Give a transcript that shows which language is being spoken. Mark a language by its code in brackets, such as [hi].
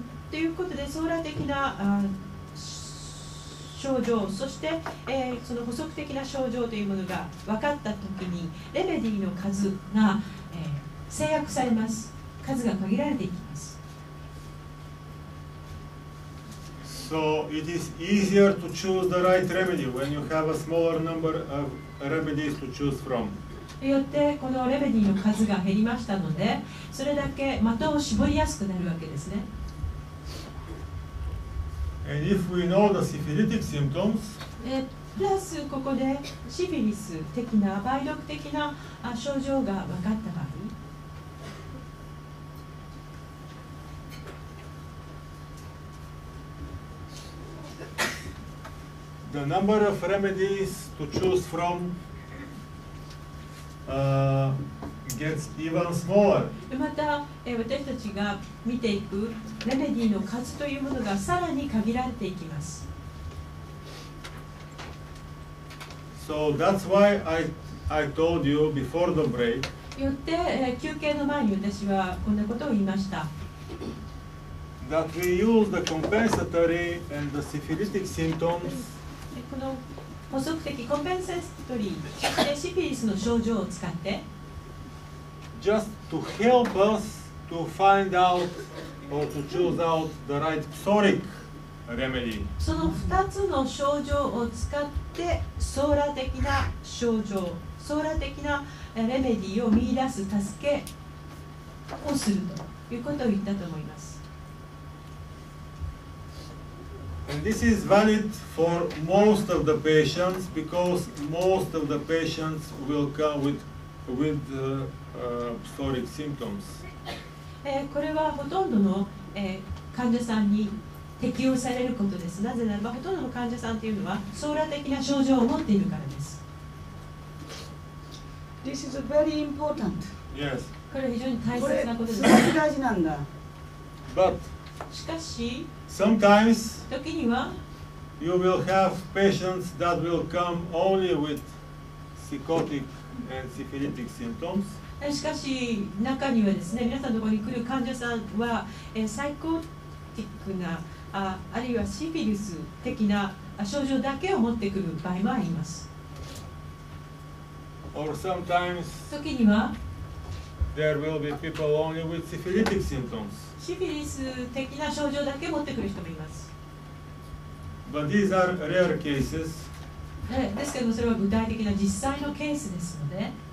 [ja] ということで、ソーラー的な症状、そして、その補足的な症状というものが分かったときに、レメディの数が、制約されます。数が限られていきます。 [en] So it is easier to choose the right remedy when you have a smaller number of remedies to choose from。 [ja] よってこのレメディの数が減りましたので、それだけ的を絞りやすくなるわけですね。 [en] And if we know the syphilitic symptoms, [ja] プラスここでシフィリス的な梅毒的な症状が分かった場合、 [en] the number of remedies to choose from、gets even smaller。 [ja] また、私たちが見ていくレメディの数というものがさらに限られていきます。 [en] So that's why I told you before the break。 [ja] よって、休憩の前に私はこんなことを言いました。 [en] That we use the compensatory and the syphilitic symptoms、 [ja] この補足的コンペンセストリー、そしてシフィリスの症状を使って [en] Just to help us to find out or to choose out the right psoriatic remedy。 [ja] その2つの症状を使ってソーラ的な症状、ソーラ的なレメディを見出す助けをするということを言ったと思います。 [en] And this is valid for most of the patients because most of the patients will come with psoriatic symptoms. [ja] これはほとんどの、患者さんに適用されることです。なぜならばほとんどの患者さんというのはソーラー的な症状を持っているからです。 [en] This is very important. Yes. [ja] これは非常に大切なことです。これすごく大事なんだ。 [en] But [ja] しかし [en] sometimes [ja] 時には [en] you will have patients that will come only with psychoticand syphilitic symptoms。 [ja] しかし中にはですね、皆さんのところに来る患者さんはサイコーティックな、あるいはシフィリス的な症状だけを持ってくる場合もあります。 [en] Or sometimes [ja] 時には [en] there will be people only with syphilitic symptoms。 [ja] シフィリス的な症状だけ持ってくる人もいます。 [en] But these are rare cases。 [ja] ですけどそれは具体的な実際のケースですので、